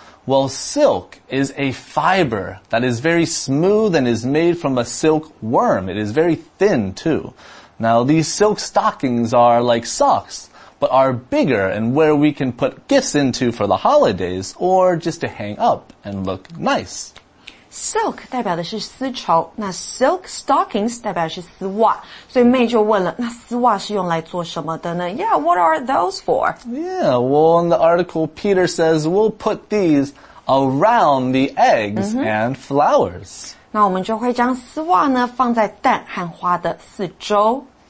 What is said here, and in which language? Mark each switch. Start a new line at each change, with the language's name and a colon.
English: Well, silk is a fiber that is very smooth and is made from a silk worm. It is very thin too. Now, these silk stockings are like socks. But are bigger and where we can put gifts into for the holidays or just to hang up and look nice.
Chinese: Silk 代表的是丝绸，那 silk stockings 代表的是丝袜。所以 May 就问了，那丝袜是用来做什么的呢？
English: Yeah, what are those for? Yeah, well, in the article, Peter says we'll put these around the eggs and flowers.
Chinese: 那我们就会将丝袜呢放在蛋和花的四周。